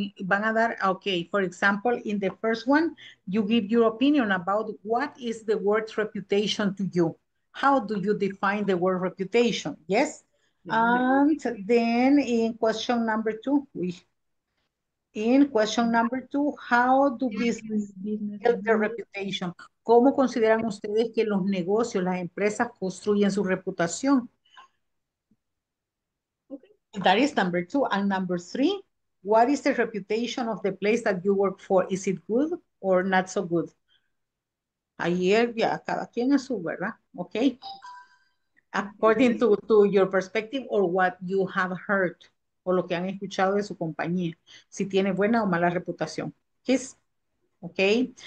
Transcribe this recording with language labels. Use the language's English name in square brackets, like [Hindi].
[Spanish] Van a dar, [English] ok, for example, in the first one, you give your opinion about what is the word reputation to you. How do you define the word reputation? Yes? And then in question number two, how do business build their reputation? [Spanish] ¿Cómo consideran ustedes que los negocios, las empresas construyen su reputación? [English] That is number two. And number three, what is the reputation of the place that you work for? Is it good or not so good? [Spanish] Ayer, ya, cada quien es su, ¿verdad? [English] Okay. According to your perspective or what you have heard, [Spanish] o lo que han escuchado de su compañía, si tiene buena o mala reputación. Kiss. Okay.